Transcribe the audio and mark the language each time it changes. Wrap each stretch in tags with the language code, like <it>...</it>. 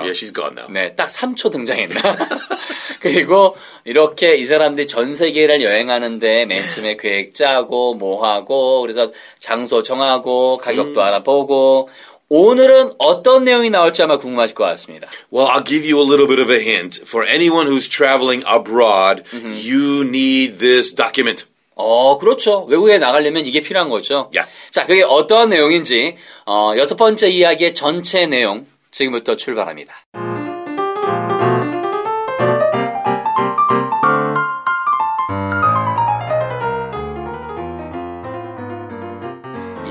<en>Yeah, she's gone now.</en> <ko>네, 딱 3초 등장했나. 그리고 이렇게 이 사람들이 전 세계를 여행하는데 맨 처음에 계획 짜고 뭐 하고 그래서 장소 정하고 가격도 알아보고 오늘은 어떤 내용이 나올지 아마 궁금하실 것 같습니다.</ko> <en>Well, I'll give you a little bit of a hint. For anyone who's traveling abroad, you need this document.</en> <ko>그렇죠. 외국에 나가려면 이게 필요한 거죠.</ko> <en>Yeah.</en> <ko>자, 그게 어떤 내용인지 여섯 번째 이야기의 전체 내용 지금부터 출발합니다. Mm-hmm.</ko>